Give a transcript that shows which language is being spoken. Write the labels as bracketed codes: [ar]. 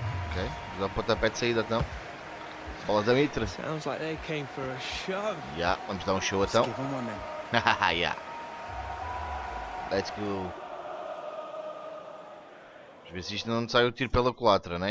[pt] Ok, vou dar o pontapé de saída então. Bola da Mitra. [en] Sounds like they came for a show. [pt] Yeah, vamos dar um show então. Yeah. [en] Let's go. [pt] Vamos ver se isto não sai o tiro pela culatra, né?